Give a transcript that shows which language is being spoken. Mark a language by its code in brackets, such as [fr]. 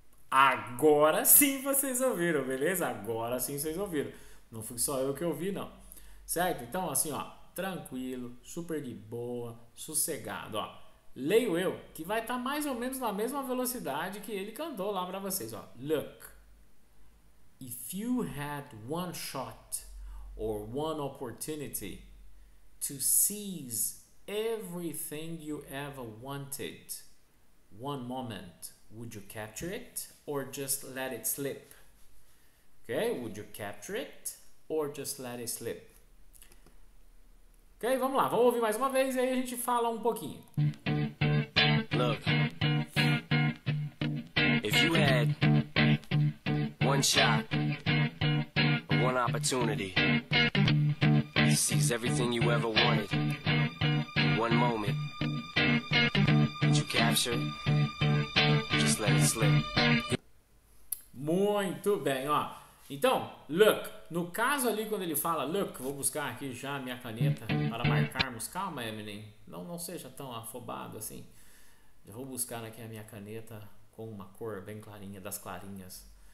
[pt] Agora sim vocês ouviram, beleza? Agora sim vocês ouviram. Não fui só eu que ouvi, não. Certo? Então, assim, ó. Tranquilo, super de boa, sossegado, ó. Leio eu, que vai estar mais ou menos na mesma velocidade que ele cantou lá pra vocês, ó. [en] Look. If you had one shot or one opportunity to seize everything you ever wanted, one moment, would you capture it or just let it slip? Okay, would you capture it or just let it slip? [pt] Okay, vamos lá, vamos ouvir mais uma vez e aí a gente fala um pouquinho. [en] Look, if you had one shot, one opportunity. He sees everything you ever wanted. One moment that you capture, just let it slip. [pt] Muito bem, ó. Então, look, no caso ali quando ele fala look, vou buscar aqui já minha caneta para marcarmos. Calma, Eminem, não seja tão afobado assim. Já vou buscar aqui a minha caneta com uma cor bem clarinha, das clarinhas.